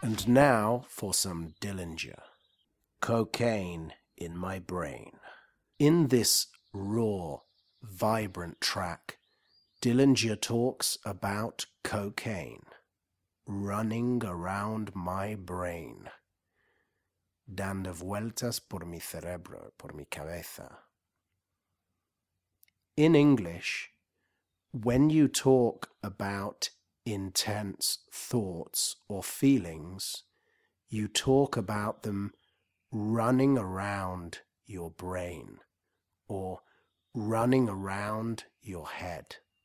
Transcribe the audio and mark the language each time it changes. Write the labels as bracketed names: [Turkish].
[English] And now for some Dillinger. Cocaine in my brain. In this raw, vibrant track, Dillinger talks about cocaine running around my brain. [Spanish] Dando vueltas por mi cerebro, por mi cabeza. [English] In English, when you talk about intense thoughts or feelings, you talk about them running around your brain or running around your head.